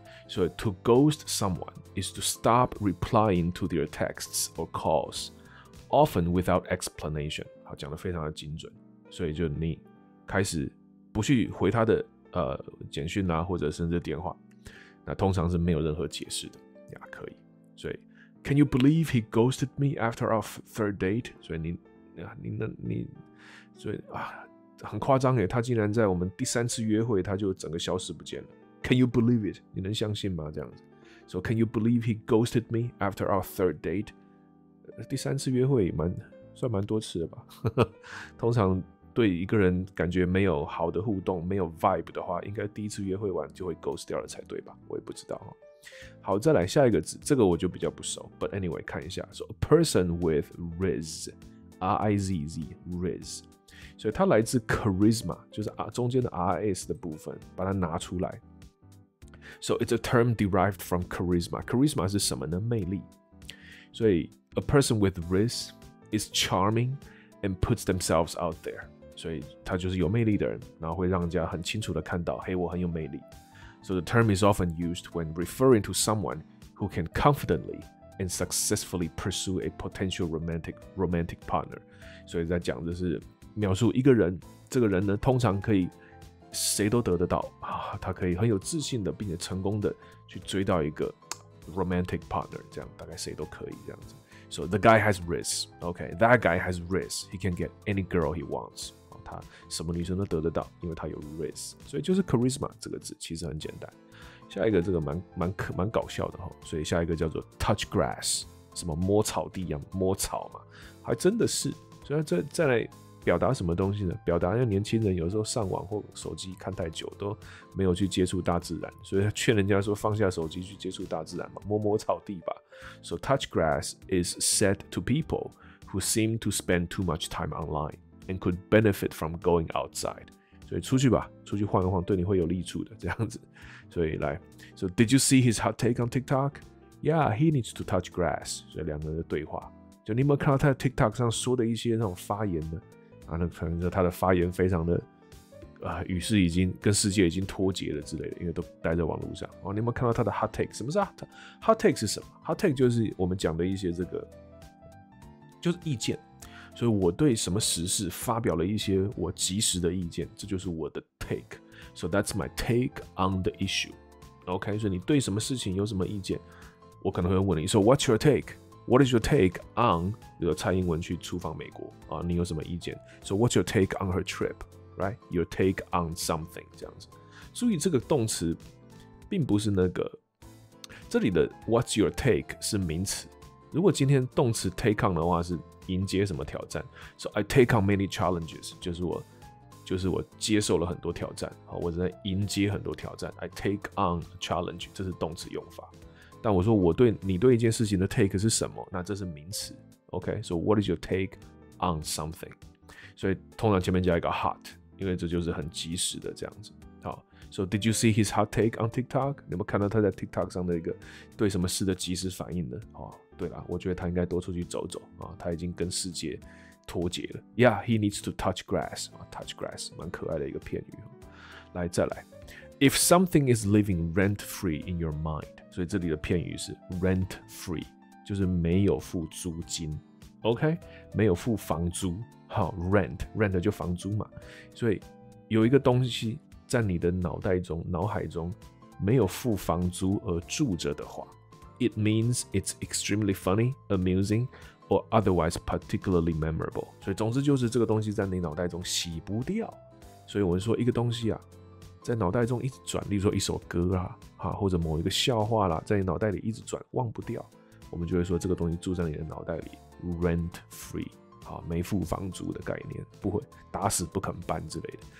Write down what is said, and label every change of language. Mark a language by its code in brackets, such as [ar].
[en] 所以 to ghost someone is to stop replying to their texts or calls, often without explanation。 [zh] 好，讲得非常的精准。所以就你开始不去回他的简讯啊，或者甚至电话，那通常是没有任何解释的呀，可以。 [en] 所以 can you believe he ghosted me after our third date？ [zh] 所以你很夸张耶，他竟然在我们第三次约会他就整个消失不见了。 [en] Can you believe it？ [zh] 你能相信吗？这样子。 [en] So can you believe he ghosted me after our third date？ [zh] 第三次约会算蛮多次的吧。通常对一个人感觉没有好的互动，没有 vibe 的话，应该第一次约会完就会 ghost 掉了才对吧，我也不知道。好，再来下一个字，这个我就比较不熟， [en] but anyway [zh] 看一下。 [en] So a person with Riz， R-I-Z-Z， Riz。 [zh] 所以它来自 charisma， 就是中间的 RS 的部分，把它拿出来。 [en] So it's a term derived from charisma. Charisma [zh] 是什么呢？魅力。 [en] 所以 a person with Riz is charming and puts themselves out there. [zh] 所以他就是有魅力的人，然后会让人家很清楚的看到，嘿，我很有魅力。 [en] So the term is often used when referring to someone who can confidently and successfully pursue a potential romantic partner. [zh] 所以在讲的是描述一个人，这个人呢，通常可以谁都得得到、啊、他可以很有自信的，并且成功的去追到一个 romantic partner， 这样大概谁都可以这样子。 [en] So the guy has Riz， OK， that guy has Riz， he can get any girl he wants、啊。 [zh] 他什么女生都得得到，因为他有 Riz， 所以就是 charisma 这个字其实很简单。下一个这个蛮搞笑的，所以下一个叫做 touch grass，什么摸草地一样，摸草嘛，还真的是。所以这再来表达什么东西呢？表达年轻人有时候上网或手机看太久，都没有去接触大自然，所以他劝人家说放下手机去接触大自然嘛，摸摸草地吧。 [en] So touch grass is said to people who seem to spend too much time online and could benefit from going outside. [zh] 所以出去吧，出去晃一晃，对你会有利处的这样子。 [en] 所以来 ，So did you see his hot take on TikTok? Yeah, he needs to touch grass. [zh] 所以两个人的对话，就你有没有看到他的 TikTok 上说的一些那种发言呢？啊，那可能说他的发言非常的与世已经跟世界已经脱节了之类的，因为都待在网络上。哦，你有没有看到他的 hot take？ 什么是 hot take 是什么 ？hot take 就是我们讲的一些这个就是意见。所以我对什么时事发表了一些我及时的意见，这就是我的 take。 [en] So that's my take on the issue. [zh] OK， 所以你对什么事情有什么意见，我可能会问你。 [en] So what's your take? What is your take on [zh] 比如蔡英文去出访美国啊？你有什么意见 [en] ？So what's your take on her trip? Right? Your take on something [zh] 这样子。注意这个动词，并不是那个这里的 what's your take 是名词。如果今天动词 take on 的话是。迎接什么挑战 ？ [en] So I take on many challenges， [zh] 就是我接受了很多挑战，好，我在迎接很多挑战。 [en] I take on a challenge， [zh] 这是动词用法。但我说我对你对一件事情的 take 是什么？那这是名词。 [en] OK， so what is your take on something？ [zh] 所以通常前面加一个 hot， 因为这就是很及时的这样子。好 ， [en] So did you see his hot take on TikTok？ [zh] 你有没有看到他在 TikTok 上的一个对什么事的及时反应呢？好。对啦，我觉得他应该多出去走走、啊、他已经跟世界脱节了。 [en] Yeah, he needs to touch grass.、啊、touch grass, [zh] 蛮可爱的一个片语。来，再来。 [en] If something is living rent-free in your mind, [zh] 所以这里的片语是 rent-free, 就是没有付租金。OK? 没有付房租。好 ,rent, rent 就房租嘛。所以有一个东西在你的脑袋中、脑海中没有付房租而住着的话。 [en] It means it's extremely funny, amusing, or otherwise particularly memorable. [zh] 所以总之就是这个东西在你脑袋中洗不掉。所以我说一个东西啊，在脑袋中一直转，例如说一首歌啊，或者某一个笑话啦，在你脑袋里一直转，忘不掉。我们就会说这个东西住在你的脑袋里 ，rent free， 好，没付房租的概念，不会打死不肯搬之类的。